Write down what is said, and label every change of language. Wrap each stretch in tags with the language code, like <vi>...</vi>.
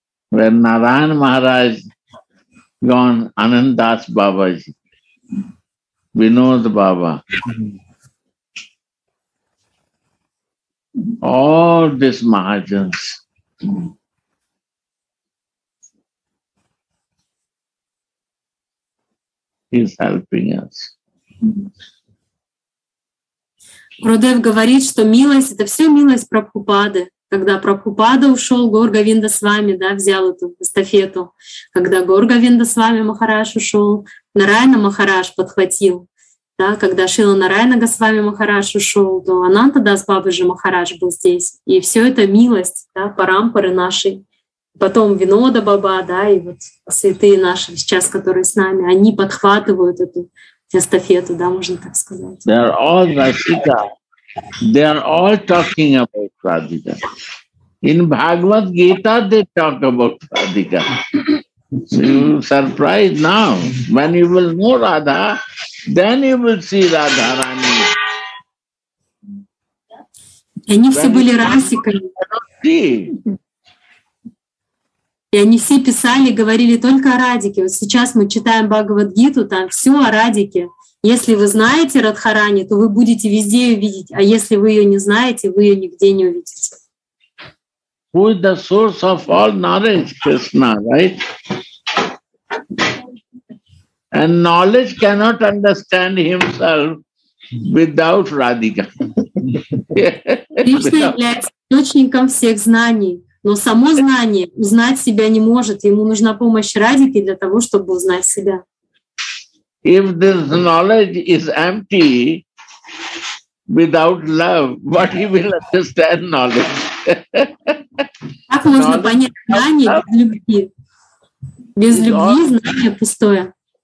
<en>When Narayan Maharaj gone, Anandas Babaji, Vinod Baba, all these Mahajans, He's helping us.</en> <ru>Гурудев говорит, что милость — это все милость Прабхупады. Когда Прабхупада ушел, Гаур Говинда с вами, да, взял эту эстафету. Когда Гаур Говинда с вами Махарадж ушел, Нараяна Махарадж подхватил. Да, когда Шрила Нараяна Госвами Махарадж ушел, то Анантадас Бабаджи Махарадж был здесь. И все это милость, да, парампары нашей. Потом Винода Баба, да, и вот святые наши сейчас, которые с нами, они подхватывают эту эстафету, да, можно так сказать.</ru> <en>They are all Rasika. They are all talking about Radhika. In Bhagavad Gita they talk about Radhika. So you will be surprised now. When you will know Radha, then you will see Radharani.</en> <ru>Они</ru> <en>when</en> <ru>все были Расиками. И они все писали, говорили только о Радике. Вот сейчас мы читаем Бхагавад-гиту, там все о Радике. Если вы знаете Радхарани, то вы будете везде ее видеть. А если вы ее не знаете, вы ее нигде не увидите.</ru> <en>Who is the source of all knowledge? Krishna, right? And knowledge cannot understand himself without Radhika.</en> <ru>Кришна является источником всех знаний. Но само знание узнать себя не может. Ему нужна помощь Радики для того, чтобы узнать себя.</ru> <en>If this knowledge is empty without love, what he will understand knowledge?</en> <ru>Как можно понять знание без любви? Без любви знание пустое.</ru>